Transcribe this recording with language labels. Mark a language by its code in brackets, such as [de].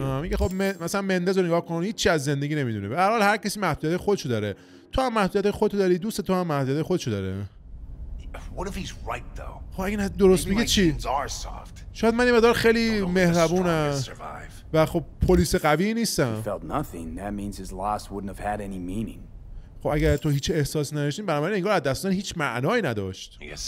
[fa] میگه خب مثلا مندز رو نگاه کن، هیچ چیز از زندگی نمیدونه. به هر حال هر کسی محدودیت خودشو داره. تو هم محدودیت خودتو داری، دوست تو هم محدودیت خودشو داره. [en] What if he's right though? [fa] خب اگه درست میگه چی؟ شاید من یه مقدار خیلی مهربونم و خب پلیس قوی نیستم. [en] Felt nothing. That means his loss wouldn't have had any meaning. [fa] خب اگر تو هیچ احساسی نداشتین، برامون انگار از دستان هیچ معنایی نداشت.